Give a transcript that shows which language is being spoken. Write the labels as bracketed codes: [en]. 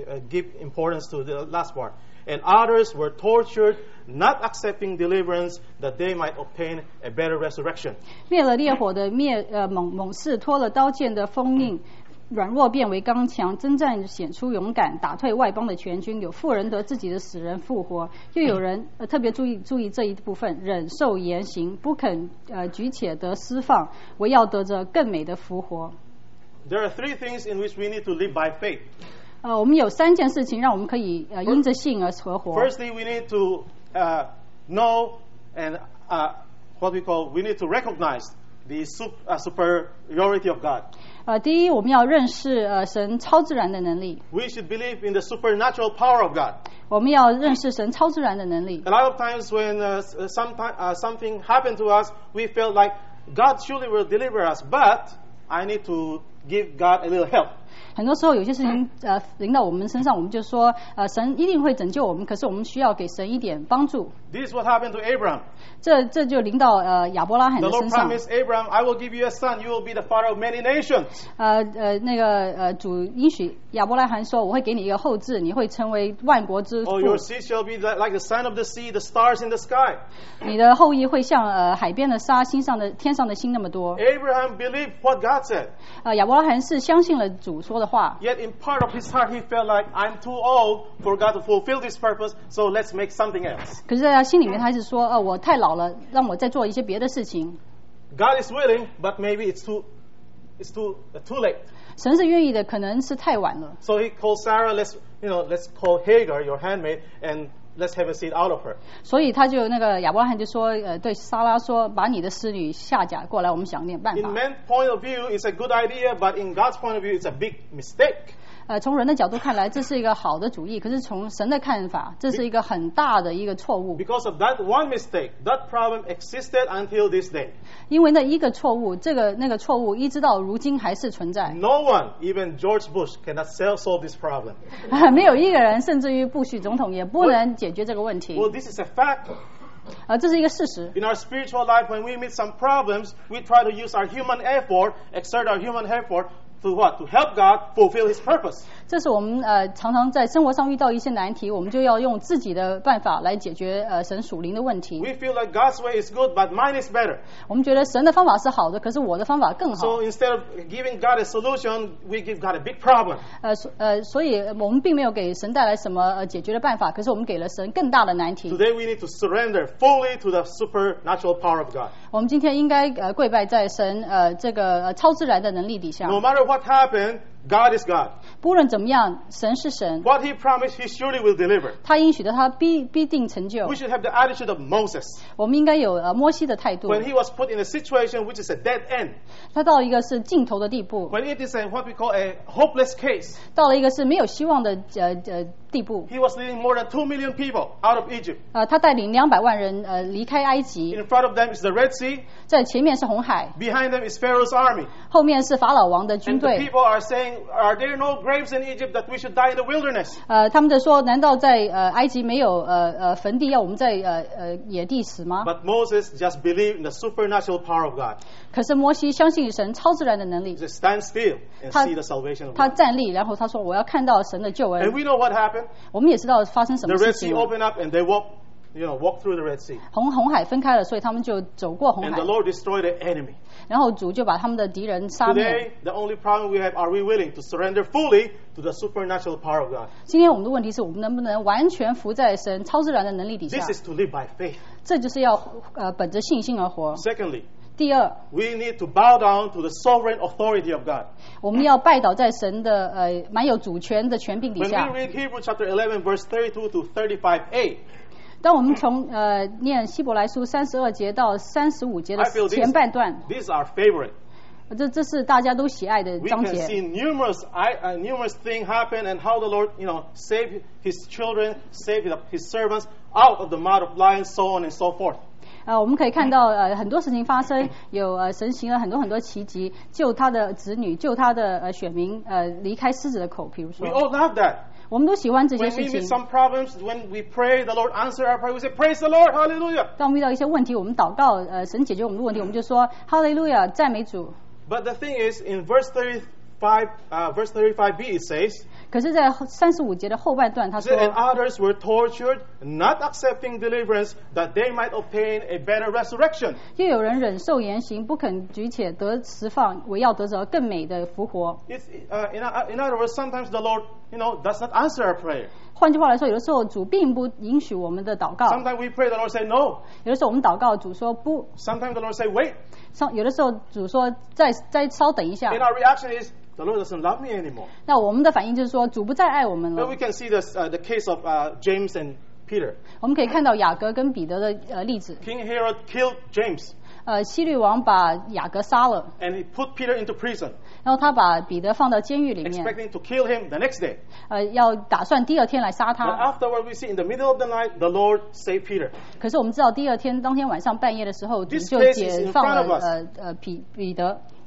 [en] Give importance to the last part. And others were tortured, not accepting deliverance, that they might obtain a better resurrection. [zh] 灭了烈火的灭猛士脱了刀剑的封印。软弱变为刚强，征战显出勇敢，打退外邦的全军。有富人得自己的死人复活，又有人特别注意这一部分，忍受严刑，不肯举且得释放，唯要得着更美的复活。 [en] There are three things in which we need to live by faith. [zh] 我们有三件事情让我们可以因着信而存活。 [en] Firstly, we need to know and we need to recognize. The superiority of God. [zh] 第一，我们要认识神超自然的能力。 [en] We should believe in the supernatural power of God. [zh] 我们要认识神超自然的能力。 [en] A lot of times when something happened to us, we felt like God surely will deliver us, but I need to give God a little help. [zh] 很多时候有些事情临到我们身上，我们就说神一定会拯救我们，可是我们需要给神一点帮助。 [en] This is what happened to Abraham. [zh] 这就临到亚伯拉罕的身上。 [en] The Lord promised Abraham, "I will give you a son. You will be the father of many nations." [zh] 主应许亚伯拉罕说，我会给你一个后嗣，你会成为万国之父。 [en] Oh, your seed shall be like the sand of the sea, the stars in the sky. [zh] 你的后裔会像海边的沙，星上的天上的星那么多。 [en] Abraham believed what God said. [zh] 亚伯拉罕是相信了主说的话。 [en] Yet in part of his heart, he felt like I'm too old for God to fulfill this purpose. So let's make something else. [zh] 可是心里面他是说我太老了，让我再做一些别的事情。 [en] God is willing, but maybe it's too late. [zh] 神是愿意的，可能是太晚了。 [en] So he called Sarah, let's call Hagar, your handmaid, and let's have a seed out of her. [zh] 所以他就那个亚伯拉罕就说对莎拉说，把你的侍女夏甲过来，我们想点办法。 [en] In man's point of view, it's a good idea, but in God's point of view, it's a big mistake. [zh] 从人的角度看来，这是一个好的主意，可是从神的看法，这是一个很大的一个错误。 [en] Because of that one mistake, that problem existed until this day. [zh] 因为那一个错误，那个错误，一直到如今还是存在。 [en] No one, even George Bush, cannot solve this problem. [zh] 没有一个人，甚至于布许总统也不能解决这个问题。 [en] Well, this is a fact. [zh] 这是一个事实。 [en] In our spiritual life, when we meet some problems, we try to use our human effort, exert our human effort. To what? To help God fulfill His purpose. [zh] 这是我们常常在生活上遇到一些难题，我们就要用自己的办法来解决神属灵的问题。 [en] We feel like God's way is good, but mine is better. [zh] 我们觉得神的方法是好的，可是我的方法更好。 [en] So instead of giving God a solution, we give God a big problem. [zh] 所以我们并没有给神带来什么解决的办法，可是我们给了神更大的难题。 [en] Today we need to surrender fully to the supernatural power of God. [zh] 我们今天应该跪拜在神这个超自然的能力底下。 [en] No matter what happened, God is God. [zh] 不论怎么样，神是神。 [en] What he promised, he surely will deliver. [zh] 他应许的，他必定成就。 [en] We should have the attitude of Moses. [zh] 我们应该有摩西的态度。 [en] When he was put in a situation which is a dead end. [zh] 他到一个是尽头的地步。 [en] When it is what we call a hopeless case. [zh] 到了一个是没有希望的地步。 [en] He was leading more than 2 million people out of Egypt. [zh] 他带领200万人离开埃及。 [en] In front of them is the Red Sea. [zh] 在前面是红海。 [en] Behind them is Pharaoh's army. [zh] 后面是法老王的军队。 [en] And the people are saying, "Are there no graves in Egypt that we should die in the wilderness?" [zh] 他们就说，难道在埃及没有坟地，要我们在野地死吗？ [en] But Moses just believed in the supernatural power of God. [zh] 可是摩西相信神超自然的能力。 [en] Just stand still and see the salvation of God. [zh] 他站立，然后他说，我要看到神的救恩。 [en] And we know what happened. [zh] 我们也知道发生什么事情。 [en] The Red Sea opened up and they walked through the Red Sea. [zh] 红海分开了，所以他们就走过红海。 [en] And the Lord destroyed the enemy. [zh] 然后主就把他们的敌人杀灭。 [en] Today, the only problem we have, are we willing to surrender fully to the supernatural power of God? [zh] 今天我们的问题是，我们能不能完全服在神超自然的能力底下？ [en] This is to live by faith. [zh] 这就是要本着信心而活。 [en] Secondly, [zh] 第二， [en] we need to bow down to the sovereign authority of God. [zh] 我们要拜倒在神的蛮有主权的权柄底下。 [en] When we read Hebrews chapter 11 verse 32 to 35a, [zh] 当我们从念希伯来书三十二节到三十五节的前半段， [en] these are favorite. [zh] 这是大家都喜爱的章节。 [en] We can see numerous things happen and how the Lord, saved His children, saved His servants out of the mouth of lions, so on and so forth. [zh] 我们可以看到很多事情发生，有神行了很多很多奇迹，救他的子女，救他的选民离开狮子的口，比如说。 [en] We all love that. [zh] 我们都喜欢这些事情。 [en] When we meet some problems, when we pray, the Lord answer our prayer, we say, "Praise the Lord, Hallelujah." [zh] 当我们遇到一些问题，我们祷告，神解决我们的问题，我们就说 Hallelujah, 赞美主。 [en] But the thing is, in verse 35b, it says. [zh] 可是在三十五节的后半段，他说 [en] ，And others were tortured, not accepting deliverance, that they might obtain a better resurrection. [zh] 又有人忍受严刑，不肯举且得释放，为要得着更美的复活。 [en] In other words, sometimes the Lord, does not answer our prayer. [zh] 换句话来说，有的时候主并不允许我们的祷告。 [en] Sometimes we pray, the Lord say no. [zh] 有的时候我们祷告，主说不。 [en] Sometimes the Lord say wait. [zh] 有的时候主说再稍等一下。 [en] And our reaction is. The Lord doesn't love me anymore. [zh] 那我们的反应就是说，主不再爱我们了。 [en] But we can see the case of James and Peter. [zh] 我们可以看到雅各跟彼得的例子。 [en] King Herod killed James. [zh] 希律王把雅各杀了。 [en] And he put Peter into prison. [zh] 然后他把彼得放到监狱里面。 [en] Expecting to kill him the next day. [zh] 要打算第二天来杀他。 [en] But afterward, we see in the middle of the night, the Lord saved Peter. [zh] 可是我们知道，第二天当天晚上半夜的时候，主就解放了彼得。